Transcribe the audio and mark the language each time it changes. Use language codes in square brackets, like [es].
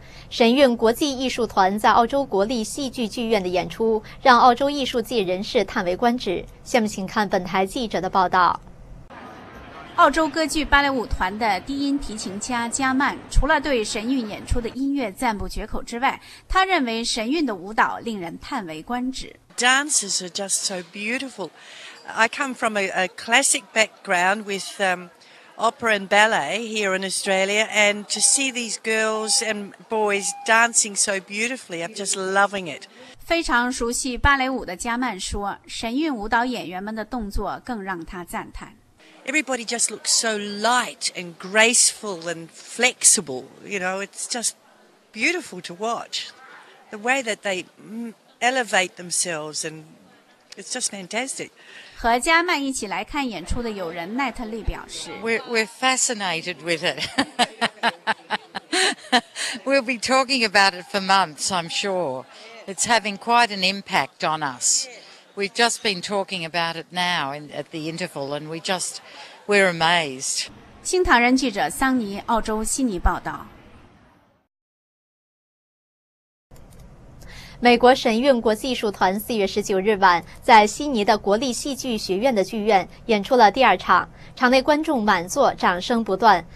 [zh] 神韵国际艺术团在澳洲国立戏剧剧院的演出让澳洲艺术界人士叹为观止。下面请看本台记者的报道。澳洲歌剧芭蕾舞团的低音提琴家加曼除了对神韵演出的音乐赞不绝口之外，他认为神韵的舞蹈令人叹为观止。 [en] Dances are just so beautiful. I come from a classic background with opera and ballet here in Australia, and to see these girls and boys dancing so beautifully, I'm just loving it. [zh] 非常熟悉芭蕾舞的加曼说，神韵舞蹈演员们的动作更让他赞叹。 [en] Everybody just looks so light and graceful and flexible. You know, it's just beautiful to watch. The way that they elevate themselves, and it's just fantastic. [zh] 和加曼一起来看演出的友人奈特利表示 [en] We're fascinated with it. We'll be talking about it for months, I'm sure. It's having quite an impact on us. We've just been talking about it now at the interval, and we're amazed. [zh] 新唐人记者桑尼，澳洲悉尼报道。美国神韵国际艺术团4月19日晚在悉尼的国立戏剧学院的剧院演出了第二场，场内观众满座，掌声不断。